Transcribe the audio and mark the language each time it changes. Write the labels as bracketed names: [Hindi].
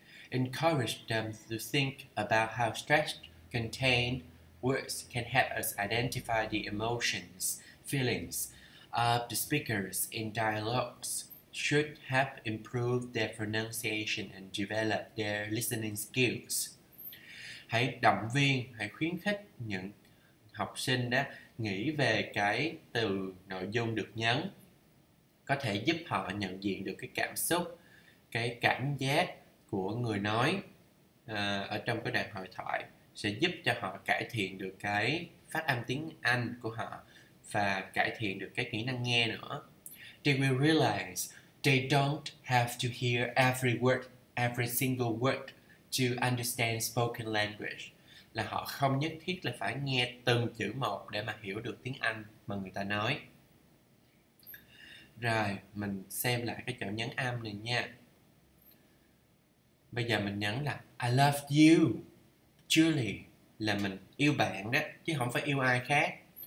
[English] Encourage them to think about how stressed contained words can help us identify the emotions, feelings of the speakers in dialogues should help improve their pronunciation and develop their listening skills. [Vietnamese] Hãy động viên, hãy khuyến khích những học sinh đó nghĩ về cái từ nội dung được nhấn, có thể giúp họ nhận diện được cái cảm xúc, cái cảm giác của người nói ở trong cái đoạn hội thoại, sẽ giúp cho họ cải thiện được cái phát âm tiếng Anh của họ và cải thiện được cái kỹ năng nghe nữa. [English] They will realize they don't have to hear every word, every single word to understand spoken language. [Vietnamese] Là họ không nhất thiết là phải nghe từng chữ một để mà hiểu được tiếng Anh mà người ta nói. Rồi, mình xem lại cái chỗ nhấn âm này nha. Bây giờ mình nhấn là [English] I love you, Julie, [Vietnamese] là mình yêu bạn đó, chứ không phải yêu ai khác.